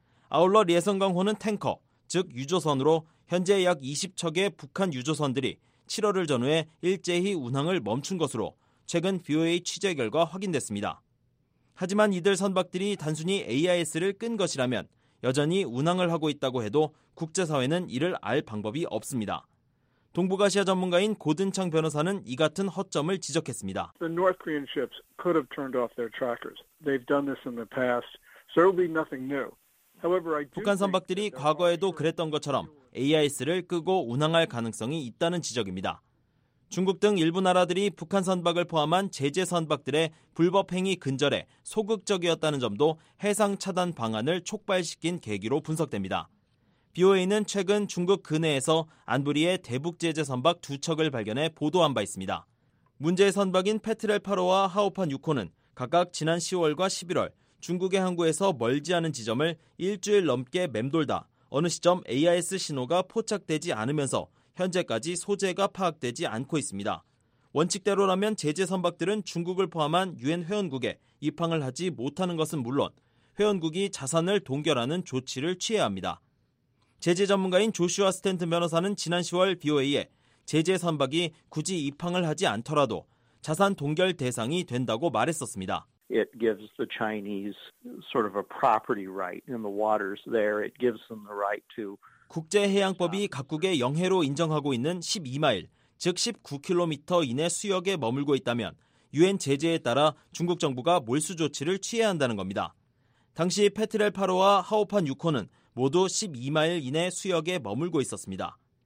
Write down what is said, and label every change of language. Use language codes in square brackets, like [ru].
[ko] 아울러 리해성강호는 탱커, 즉 유조선으로 현재 약 20척의 북한 유조선들이 7월을 전후해 일제히 운항을 멈춘 것으로 최근 BOA 취재 결과 확인됐습니다. 하지만 이들 선박들이 단순히 AIS를 끈 것이라면 여전히 운항을 하고 있다고 해도 국제사회는 이를 알 방법이 없습니다. 동북아시아 전문가인 고든창 변호사는 이 같은 허점을 지적했습니다. [en] The North Korean ships could have turned off their trackers. They've done this in the past. So it'll be nothing new. [ko] 북한 선박들이 과거에도 그랬던 것처럼 AIS를 끄고 운항할 가능성이 있다는 지적입니다. 중국 등 일부 나라들이 북한 선박을 포함한 제재 선박들의 불법 행위 근절에 소극적이었다는 점도 해상 차단 방안을 촉발시킨 계기로 분석됩니다. BOA는 최근 중국 근해에서 안보리의 대북 제재 선박 두 척을 발견해 보도한 바 있습니다. 문제의 선박인 페트렐 8호와 하오판 6호는 각각 지난 10월과 11월 중국의 항구에서 멀지 않은 지점을 일주일 넘게 맴돌다 어느 시점 AIS 신호가 포착되지 않으면서 현재까지 소재가 파악되지 않고 있습니다. 원칙대로라면 제재 선박들은 중국을 포함한 유엔 회원국에 입항을 하지 못하는 것은 물론 회원국이 자산을 동결하는 조치를 취해야 합니다. 제재 전문가인 조슈아 스탠튼 변호사는 지난 10월 BOA에 제재 선박이 굳이 입항을 하지 않더라도 자산 동결 대상이 된다고 말했었습니다. [en] It gives the Chinese sort of a property right in the waters there. It gives them the right to [ko] 국제해양법이 각국의 영해로 인정하고 있는 12마일, 즉 19km 이내 수역에 머물고 있다면 유엔 제재에 따라 중국 정부가 몰수 조치를 취해야 한다는 겁니다. 당시 페트렐 8호와 하오판 6호는 모두 12마일 이내 수역에 머물고 있었습니다.